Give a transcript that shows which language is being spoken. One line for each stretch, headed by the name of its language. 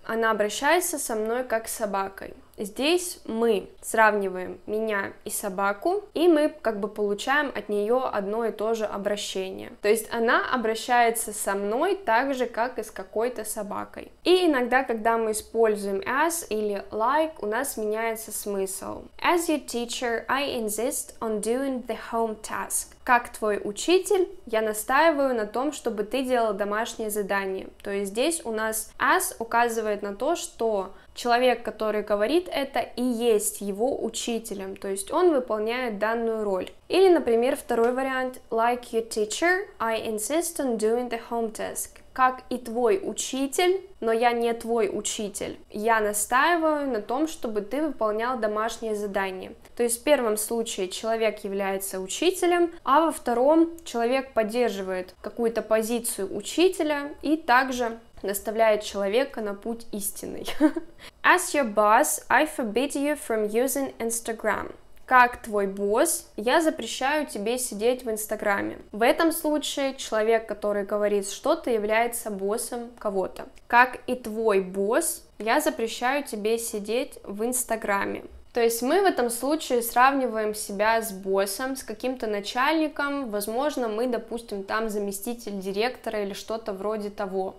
Russian: она обращается со мной как с собакой. Здесь мы сравниваем меня и собаку, и мы как бы получаем от нее одно и то же обращение. То есть она обращается со мной так же, как и с какой-то собакой. И иногда, когда мы используем as или like, у нас меняется смысл.
English: As your teacher, I insist on doing the home task.
Russian: Как твой учитель, я настаиваю на том, чтобы ты делал домашнее задание. То есть здесь у нас as указывает на то, что человек, который говорит это, и есть его учителем, то есть он выполняет данную роль. Или, например, второй вариант.
English: Like your teacher, I insist on doing the home task.
Russian: Как и твой учитель, но я не твой учитель. Я настаиваю на том, чтобы ты выполнял домашнее задание. То есть в первом случае человек является учителем, а во втором человек поддерживает какую-то позицию учителя и также наставляет человека на путь истинный.
English: As your boss, I forbid you from using Instagram.
Russian: Как твой босс, я запрещаю тебе сидеть в Инстаграме. В этом случае человек, который говорит что-то, является боссом кого-то. Как и твой босс, я запрещаю тебе сидеть в Инстаграме. То есть мы в этом случае сравниваем себя с боссом, с каким-то начальником, возможно, мы, допустим, там заместитель директора или что-то вроде того.